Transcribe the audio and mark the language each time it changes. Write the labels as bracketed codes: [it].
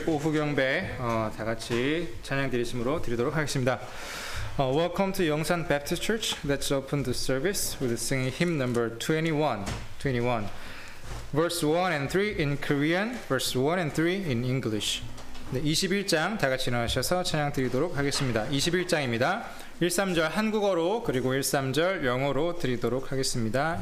[ko] 오후경배 다 같이 찬양 드리심으로 드리도록 하겠습니다. [en] Welcome to Yongsan Baptist Church. Let's open the service with singing hymn number 21. Verse 1 and 3 in Korean, verse 1 and 3 in English. [ko] 네, 21장 다 같이 나와셔서 찬양 드리도록 하겠습니다. 21장입니다. 1, 3절 한국어로 그리고 1, 3절 영어로 드리도록 하겠습니다.